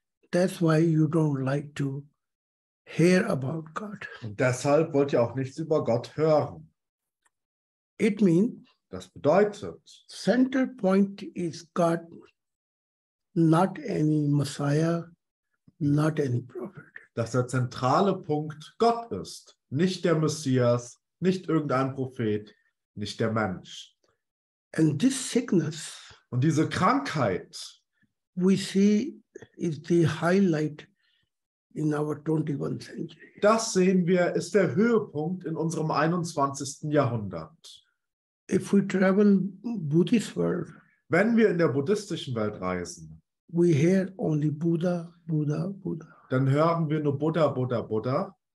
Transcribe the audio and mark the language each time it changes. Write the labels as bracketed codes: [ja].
[en] That's why you don't like to hear about God. [de] Und deshalb wollt ihr auch nichts über Gott hören. [en] It means [de] Das bedeutet, [en] center point is God, not any Messiah, not any prophet. [de] dass der zentrale Punkt Gott ist, nicht der Messias, nicht irgendein Prophet, nicht der Mensch. [en] And this sickness, [de] Und diese Krankheit, [en] we see is the highlight in our 21st century. [de] das sehen wir, ist der Höhepunkt in unserem 21. Jahrhundert. [en] If we travel Buddhist world, [de] Wenn wir in der buddhistischen Welt reisen, [en] We hear only Buddha, Buddha, Buddha. [de] Dann hören wir nur Buddha, Buddha, Buddha.